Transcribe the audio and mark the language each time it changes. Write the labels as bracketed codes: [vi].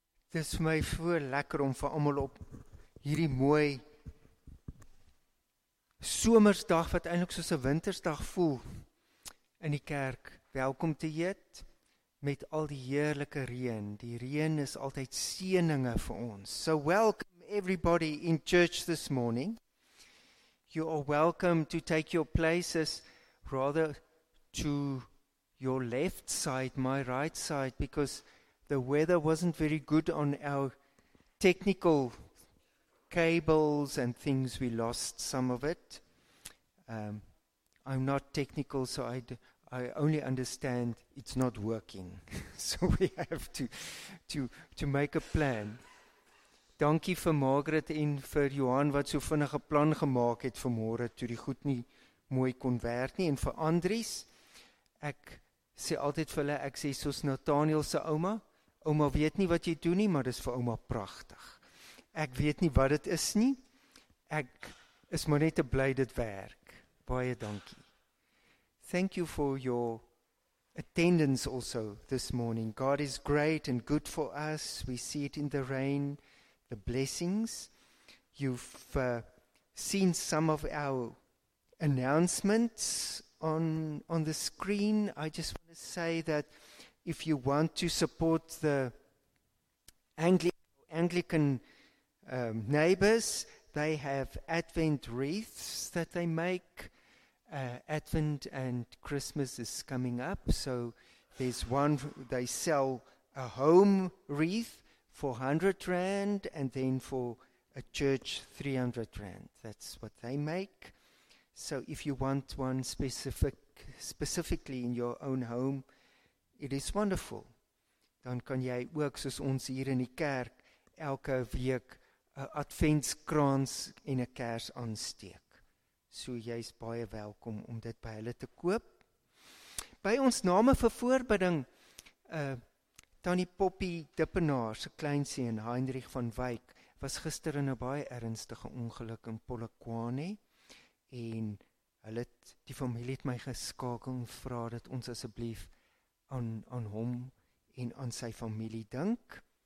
[af] Dit is vir my so lekker om vir almal op hierdie mooi somersdag wat eintlik soos 'n wintersdag voel in die kerk welkom te heet met al die heerlike reën. Die reën is altyd seëninge vir ons. [en] So welcome everybody in church this morning. You are welcome to take your places rather to your left side, my right side, because the weather wasn't very good on our technical cables and things. We lost some of it. I'm not technical, so I only understand it's not working. So we have to make a plan. [af] Dankie vir Margaret en vir Johan wat so vinnige plan gemaak het vir môre toe die goed nie mooi kon werk nie. En vir Andries, ek sê altyd vir hulle, ek sê soos Nathaniel se ouma, Ouma weet nie wat jy doen nie, maar dis vir ouma prachtig. Ek weet nie wat dit is nie. Ek is maar net te bly dit werk. Baie dankie. [en] Thank you for your attendance also this morning. God is great and good for us. We see it in the rain, the blessings. You've seen some of our announcements on the screen. I just want to say that if you want to support the Anglican neighbors, they have Advent wreaths that they make. Advent and Christmas is coming up, so there's one, they sell a home wreath for 100 rand and then for a church 300 rand. That's what they make. So if you want one specifically in your own home, it is wonderful. [af] Dan kan jy ook, soos ons hier in die kerk, elke week adventskrans en 'n kers aansteek. So jy is baie welkom om dit by hulle te koop. By ons name vir voorbidding, Tannie Poppy Dippenaar, se kleinseun Heinrich van Wyk, was gister in 'n baie ernstige ongeluk in Polokwane, en hulle het, die familie het my geskakel en vra dat ons asseblief aan hom en aan sy familie dink.